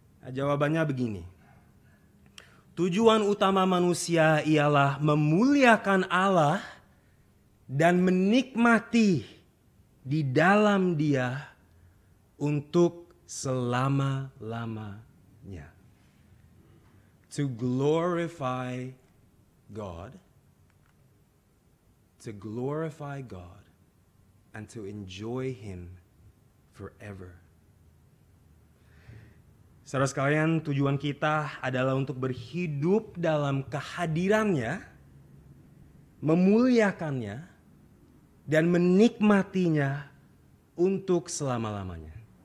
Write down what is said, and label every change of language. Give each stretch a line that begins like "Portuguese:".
Indonesian: Jawabannya begini. Tujuan utama manusia ialah memuliakan Allah dan menikmati di dalam Dia untuk selama-lamanya.
English: To glorify God, to glorify God, and to enjoy Him forever.
Indonesian: Saudara sekalian, tujuan kita adalah untuk berhidup dalam kehadirannya, memuliakannya, dan menikmatinya untuk selama-lamanya.